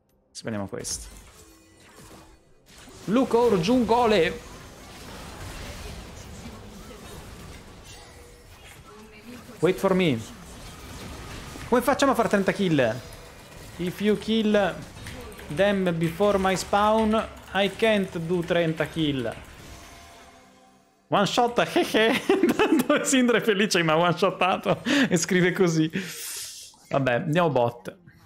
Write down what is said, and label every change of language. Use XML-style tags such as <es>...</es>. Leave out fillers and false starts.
<it>Spendiamo questo. Luke Orjungole!</it> <en>Wait for me.</en> <it>Come facciamo a fare 30 kill?</it> <en>If you kill them before my spawn, I can't do 30 kill. One shot, hehe.</en> <it>Tanto Sindra è felice, ma one shotato. E scrive così. Vabbè, andiamo bot.</it>